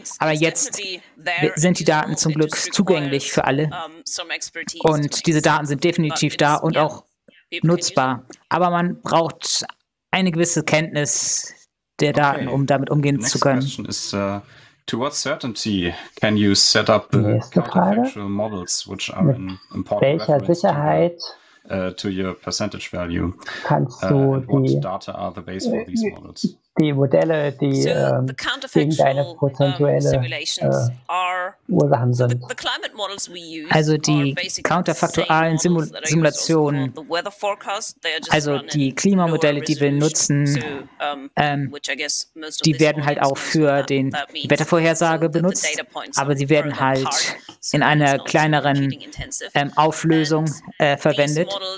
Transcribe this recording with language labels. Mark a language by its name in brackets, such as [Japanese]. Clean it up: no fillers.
[German] Aber jetzt sind die Daten zum Glück zugänglich für alle und diese Daten sind definitiv da und auch nutzbar. Aber man braucht eine gewisse Kenntnis der Daten, um damit umgehen zu können. [English] To what certainty can you set up counterfactual models, which are an important reference to your percentage value? What data are the base for these models? [German] Die Modelle, die gegen deine prozentuelle Ursachen sind. Also die counterfaktualen Simulationen, also die Klimamodelle, die wir nutzen, die werden halt auch für die Wettervorhersage benutzt, aber sie werden halt in einer kleineren Auflösung verwendet.